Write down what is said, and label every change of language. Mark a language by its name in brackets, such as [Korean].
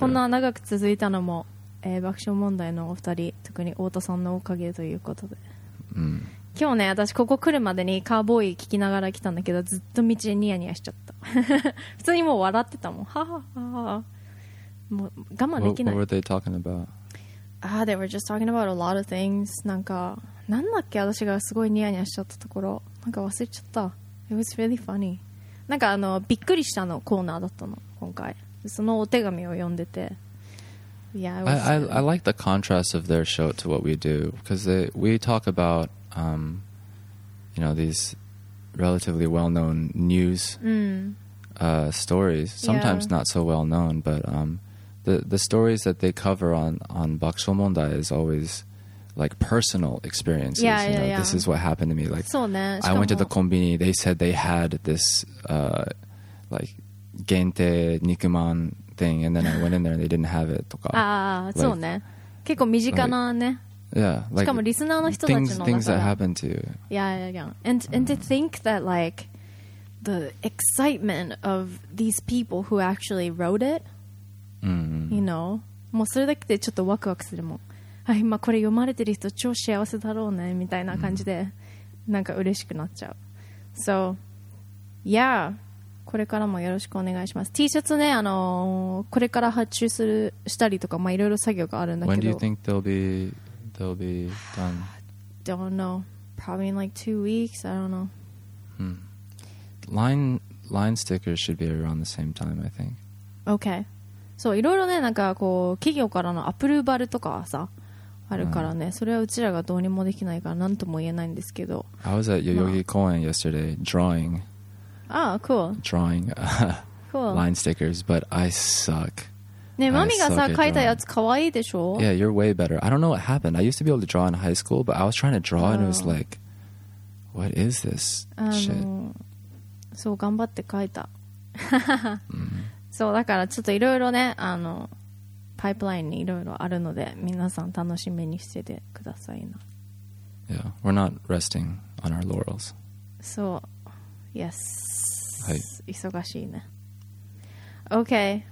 [Japanese] こんな長く続いたのも、爆笑問題のお二人、特に太田さんのおかげということで、うん、今日ね私ここ来るまでにカーボーイ聞きながら来たんだけど、ずっと道にニヤニヤしちゃった。普通にもう笑ってたもん、はははは、もう我慢できない。 [English] What were they talking about? They were just talking about a lot of things. [Japanese] なんかなんだっけ、私がすごいニヤニヤしちゃったところなんか忘れちゃった。 [English] It was really funny. [Japanese] なんかあのびっくりしたのコーナーだったの今回、そのお手紙を読んでて。 [English] Yeah, I like the contrast of their show to what we do, because we talk about you know, these relatively well-known news、stories, sometimes、yeah. not so well-known, but the stories that they cover on Bakusho Mondai is alwaysLike personal experiences, yeah, you know, yeah, yeah. This is what happened to me. Like, [Japanese] そうね、 [English] I went to the konbini. They said they had this, like, 限定肉まん thing, and then I went in there and they didn't have it. [Japanese] とか、ああ、そうね。結構身近なね。 [English] Yeah, like, [Japanese] しかもリスナーの人たちの中で。 [English] Things that happened to you. Yeah, yeah, yeah. And to think that like the excitement of these people who actually wrote it,、 mm-hmm. you know, [Japanese] もうそれだけでちょっとワクワクするもん。今これ読まれてる人超幸せだろうねみたいな感じでなんか嬉しくなっちゃう。 [English] So yeah, [Japanese] これからもよろしくお願いします。 T シャツね、これから発注するしたりとか、まあいろいろ作業があるんだけど。 [English] When do you think they'll be done? Don't know. Probably in like 2 weeks. I don't know.、 Line stickers should be around the same time, I think. Okay. [Japanese] So いろいろね、なんかこう企業からのアプローバルとかさあるからね、それはうちらがどうにもできないから何とも言えないんですけど。 [English] I was at Yoyogi Koen yesterday drawing. Ah, cool. Drawing line stickers, but I suck. [Japanese] ね、マミがさ描いたやつかわいいでしょ。 [English] Yeah, you're way better. I don't know what happened. I used to be able to draw in high school, but I was trying to draw and it was like, what is this shit? [Japanese] そう、頑張って描いた。そう、だからちょっといろいろね、パイプラインにいろいろあるので皆さん楽しみにしててくださいな。 [English] Yeah, we're not resting on our laurels. So, yes. [Japanese] はい。忙しいね。 [English] Okay.